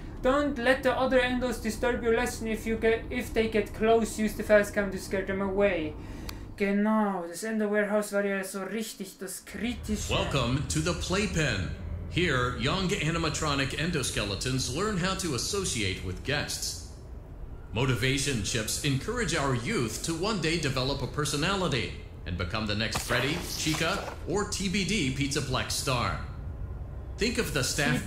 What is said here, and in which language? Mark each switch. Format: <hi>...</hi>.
<en>Don't let the other Endos disturb your lesson if they get close. Use the fast cam to scare them away.</en> <de>Genau, das Ender Warehouse war ja so richtig das Kritische.</de> <en>Welcome to the playpen. Here, young animatronic endoskeletons learn how to associate with guests. Motivation chips encourage our youth to one day develop a personality and become the next Freddy, Chica, or TBD Pizza Plex star. Think of the staff TBD?</en>